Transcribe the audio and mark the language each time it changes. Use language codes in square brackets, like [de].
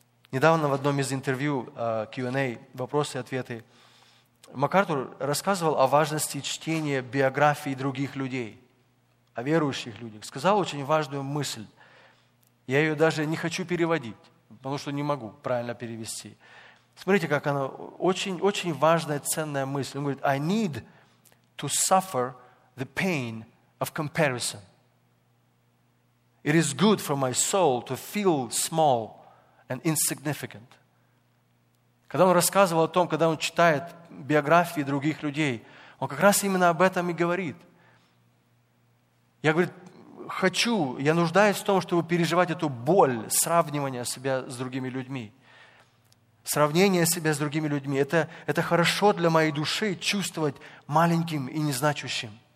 [ru] Недавно в одном из интервью Q&A, вопросы и ответы, МакАртур рассказывал о важности чтения биографий других людей, о верующих людях. Сказал очень важную мысль. Я ее даже не хочу переводить, потому что не могу правильно перевести. Смотрите, как она очень, очень важная, ценная мысль. Он говорит, [en] I need to suffer the pain of comparison. It is good for my soul to feel small and insignificant. [ru] Когда он рассказывал о том, когда он читает биографии других людей, он как раз именно об этом и говорит. Я говорю, я нуждаюсь в том, чтобы переживать эту боль сравнивания себя с другими людьми. Сравнение себя с другими людьми. Это хорошо для моей души чувствовать маленьким и незначущим.